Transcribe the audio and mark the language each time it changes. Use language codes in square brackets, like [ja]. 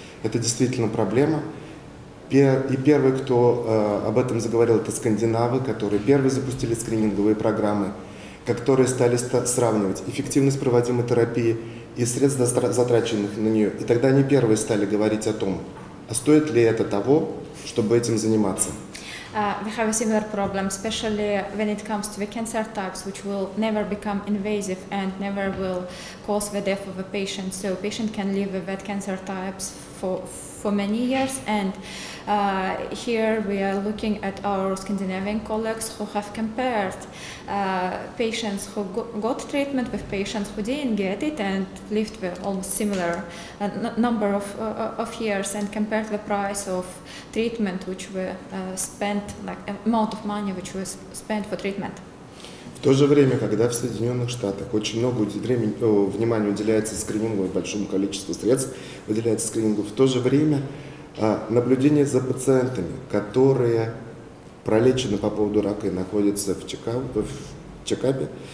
[ru] Это действительно проблема. И первый, кто об этом заговорил, это скандинавы, которые первые запустили скрининговые программы, которые стали сравнивать эффективность проводимой терапии и средств, затраченных на нее. И тогда они первые стали говорить о том, а стоит ли это того, чтобы этим заниматься. [en] We have a similar problem, especially when it comes to the cancer types, which will never become invasive and never will cause the death of a patient. So a patient can live with that cancer types for many years. And here we are looking at our Scandinavian colleagues who have compared patients who got treatment with patients who didn't get it and lived with almost similar number of years, and compared the price of treatment which were spent, like amount of money which was spent for treatment. [ru] В то же время, когда в Соединенных Штатах очень много внимания уделяется скринингу и большому количеству средств выделяется скринингу, в то же время наблюдение за пациентами, которые пролечены по поводу рака и находятся в чекапе,